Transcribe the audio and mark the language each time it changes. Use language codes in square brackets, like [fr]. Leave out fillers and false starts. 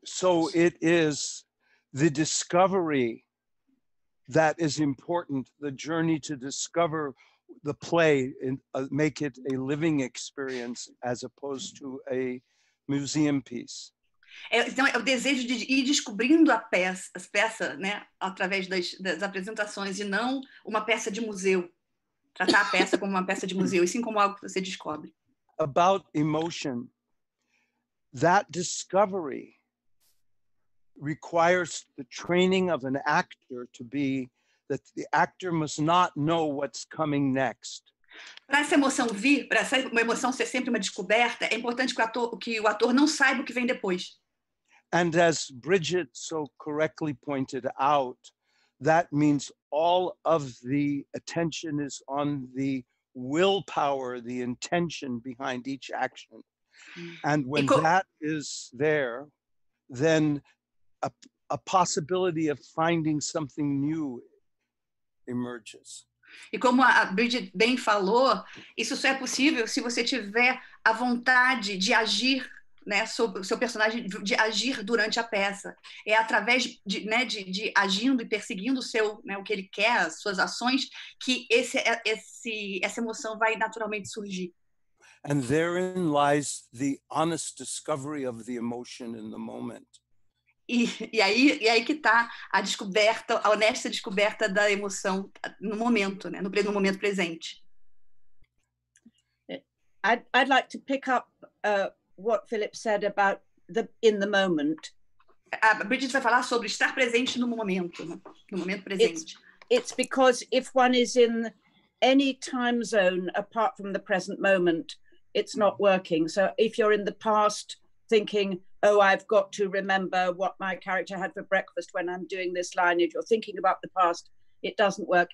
[en] So it is the discovery that is important, the journey to discover the play and make it a living experience as opposed to a museum piece. [pt] Então, é o desejo de ir descobrindo a peça, né, através das apresentações e não uma peça de museu. Tratar a peça como uma peça de museu e sim como algo que você descobre. [en] About emotion, that discovery requires the training of an actor to be that the actor must not know what's coming next. [pt] Para essa emoção vir, para essa emoção ser sempre uma descoberta, é importante que o ator não saiba o que vem depois. [en] And as Brigid so correctly pointed out, that means all of the attention is on the willpower, the intention behind each action. And when that is there, then a possibility of finding something new emerges. [pt] E como a Brigid bem falou, isso só é possível se você tiver a vontade de agir, né, sobre o seu personagem, de agir durante a peça. É através de agindo e perseguindo o que ele quer, as suas ações, que essa emoção vai naturalmente surgir. [en] And therein lies the honest discovery of the emotion in the moment. [pt] E aí que está a descoberta, a honesta descoberta da emoção no momento, né, no momento presente. [en] I'd like to pick up what Philip said about the in the moment. [pt] A Brigid vai falar sobre estar presente no momento, né? No momento presente. [en] It's because if one is in any time zone apart from the present moment, it's not working. So if you're in the past thinking, oh, I've got to remember what my character had for breakfast when I'm doing this line, if you're thinking about the past, it doesn't work.